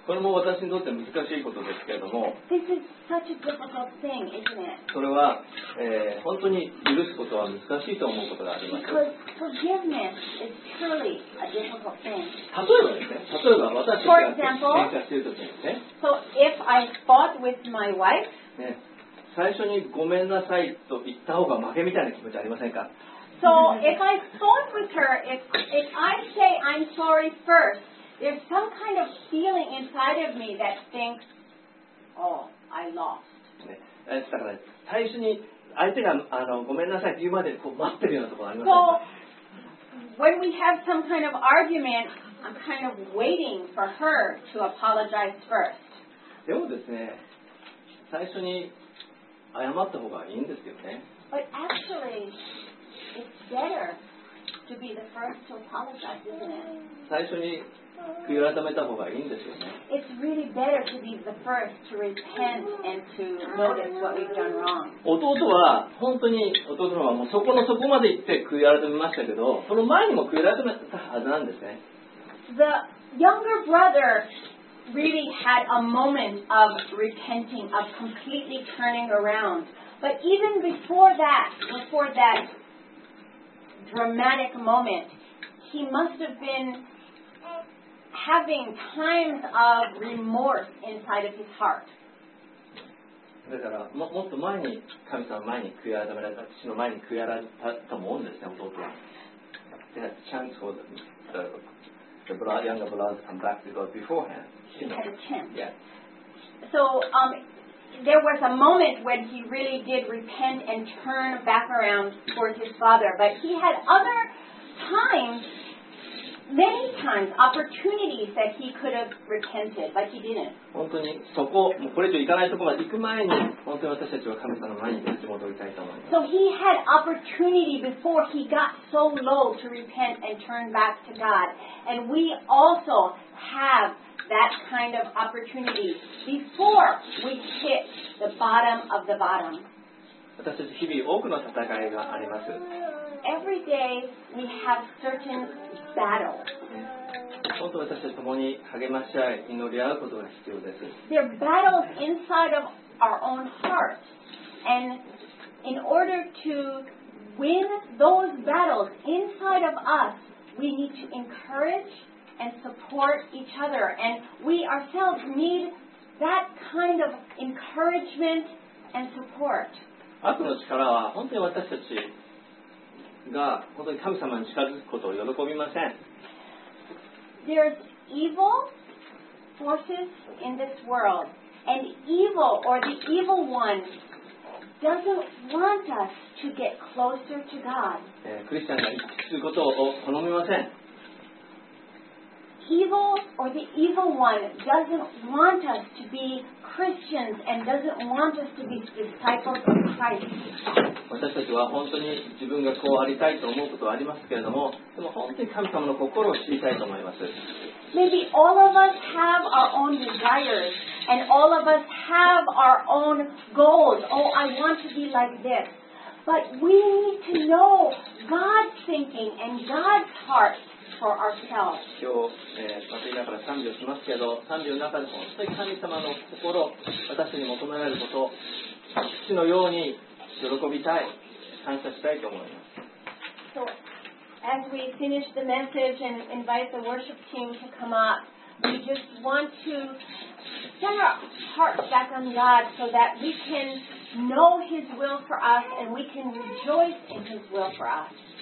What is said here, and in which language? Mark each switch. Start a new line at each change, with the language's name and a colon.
Japanese: これも私にとって難しいことですけれども、
English: This is such a difficult thing, isn't it?
Japanese: それは、本当に許すことは難しいと思うことがあります。
English: Because forgiveness is truly a difficult thing.
Japanese: 例えば私が喧嘩しているときにね。
English: So if I fought with my wife,
Japanese: 最初にごめんなさいと言った方が負けみたいな気持ちありませんか？
English: So if I fought with her, if I say I'm sorry first,There's some kind of feeling inside of me that thinks, oh, I lost.
Japanese: だから最初に相手があのごめんなさいって言うまでこう待ってるようなところありますか?
English: So, when we have some kind of argument, I'm kind of waiting for her to apologize first.
Japanese: でもですね、最初に謝った方がいいんですよね。
English: But actually, it's better to be the first to apologize, isn't it?
Japanese: 最初に悔い改めた方がいいんですよね。
English: It's really better to be the first to repent and to notice what we've done wrong.
Japanese: 弟は本当に弟の方はもうそこのそこまで行って悔い改めましたけど、その前にも悔い改めたはずなんですね。
English: The younger brother really had a moment of repenting, of completely turning around. But even before that dramatic moment, he must have been. Having times of remorse inside of his heart.
Japanese: だから もっと前に神様前に悔い改められた父の前に悔い改めたと思うんですね弟は。
English: They had a chance for the younger brother to come back to God beforehand. He had a chance. Yeah. So there was a moment when he really did repent and turn back around towards his father, but he had other times. Many times, opportunities that he could have repented, but he didn't.
Japanese: 本当にそこ、もうこれ以上行かないところまで行く前に、本当に私たちは神様の前に立ち戻りたいと思います。
English: So he had opportunity before he got so low to repent and turn back to God. And we also have that kind of opportunity before we hit the bottom of the bottom.
Japanese: 私たち日々多くの戦いがあります。
English: Every day we have certain battles.
Japanese: 本当に私たち共に励まし合い、祈り合うことが必要です。
English: There are battles inside of our own heart. And in order to win those battles inside of us, we need to encourage and support each other. And we ourselves need that kind of encouragement and support.
Japanese: 悪の力は本当に私たちが本当に神様に近づくことを喜びません。
English: There's evil forces in this world, and evil or the evil one doesn't want us to get closer to God.
Japanese: クリスチャンが行き着くことを好みません。
English: Evil or the evil one doesn't want us to be Christians and doesn't want us to be disciples of Christ.
Japanese: 私たちは本当に自分がこうありたいと思うことはありますけれども、でも本当に神様の心を知りたいと思います。
English: Maybe all of us have our own desires and all of us have our own goals. Oh, I want to be like this. But we need to know God's thinking and God's heart. For ourselves.
Japanese: 今日、また今から賛美をしますけど、賛美の中で本当に神様の心、私たちに求められること、父のように喜びたい、感謝したいと思います。
English: So, as we finish the message and invite the worship team to come up, we just want to set our hearts back on God so that we can know His will for us and we can rejoice in His will for us.